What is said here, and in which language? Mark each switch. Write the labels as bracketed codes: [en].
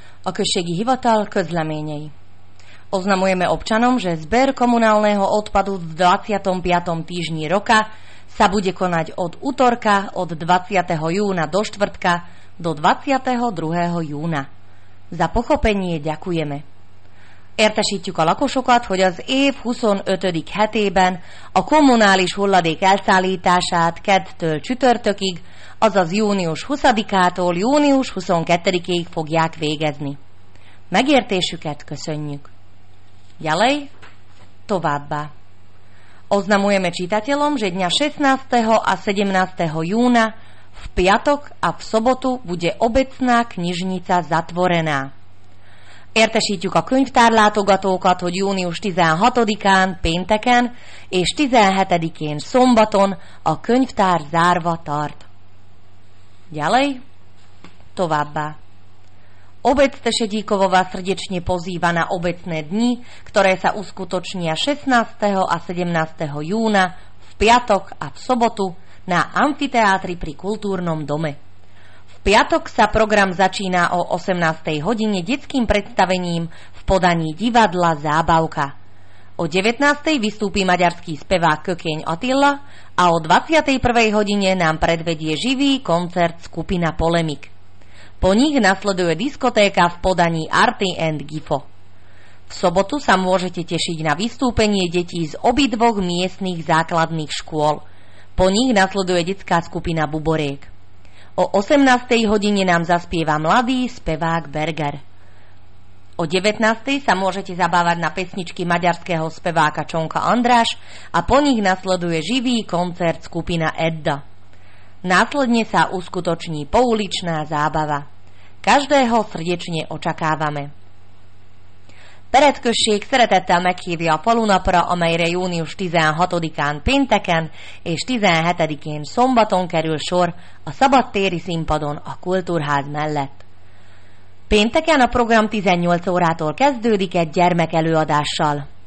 [hu] Okršegi hivatal közleményei. [sk] Oznamujeme občanom, že zber komunálneho odpadu v 25. týždni roka sa bude konať od utorka od 20. júna do štvrtka do 22. júna. Za pochopenie ďakujeme. [hu] Értesítjük a lakosokat, hogy az év 25. hetében a kommunális hulladék elszállítását kedtől csütörtökig, azaz június 20-ától június 22-ig fogják végezni. Megértésüket köszönjük. [sk] Ďalej, továbbá. Oznamujeme čitateľom, že dňa 16. a 17. júna v piatok a v sobotu bude obecná knižnica zatvorená. [hu] Értesítjük a könyvtárlátogatókat, hogy június 16-án, pénteken és 17-én, szombaton a könyvtár zárva tart. [sk] Ďalej, továbbá. Obec Tešedíkovová srdečne pozýva na obecné dni, ktoré sa uskutočnia 16. a 17. júna, v piatok a v sobotu na amfiteátri pri kultúrnom dome. V piatok sa program začína o 18. hodine detským predstavením v podaní divadla Zábavka. O 19. vystúpi maďarský spevák Kökeň Attila a o 21. hodine nám predvedie živý koncert skupina Polemik. Po nich nasleduje diskotéka v podaní Arty and Gifo. V sobotu sa môžete tešiť na vystúpenie detí z obidvoch miestnych základných škôl. Po nich nasleduje detská skupina Buboriek. O 18. hodine nám zaspieva mladý spevák Berger. O 19. sa môžete zabávať na pesničky maďarského speváka Čonka Andráš a po nich nasleduje živý koncert skupina Edda. Následne sa uskutoční pouličná zábava. Každého srdečne očakávame. [hu] Peretkösség szeretettel meghívja a falunapra, amelyre június 16-án pénteken és 17-én szombaton kerül sor a szabadtéri színpadon a kultúrház mellett. Pénteken a program 18 órától kezdődik egy gyermekelőadással.